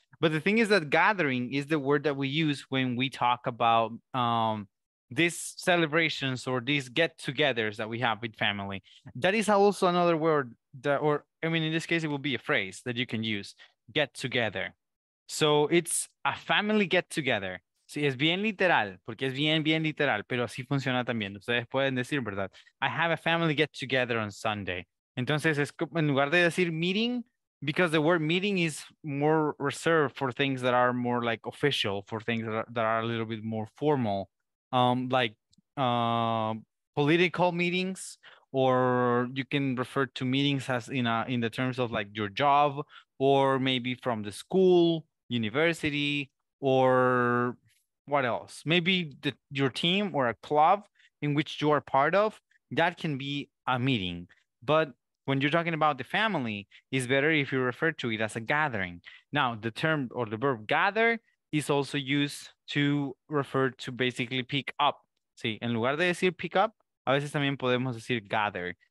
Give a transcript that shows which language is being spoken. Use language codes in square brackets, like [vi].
[en] But the thing is that gathering is the word that we use when we talk about these celebrations or these get-togethers that we have with family. That is also another word that, or I mean, in this case, it will be a phrase that you can use, get-together. So it's a family get-together. [es] Sí, es bien literal, porque es bien, bien literal, pero así funciona también. [en] Ustedes pueden decir, ¿verdad? I have a family get-together on Sunday. Entonces, es, en lugar de decir meeting, because the word meeting is more reserved for things that are more like official, for things that are a little bit more formal, like political meetings, or you can refer to meetings as in the terms of like your job, or maybe from the school, university, or what else? Maybe your team or a club in which you are part of, that can be a meeting. But when you're talking about the family, it's better if you refer to it as a gathering. Now, the term or the verb gather is also used to refer to basically pick up. [es] Sí, en lugar de decir pick up, a veces también podemos decir gather.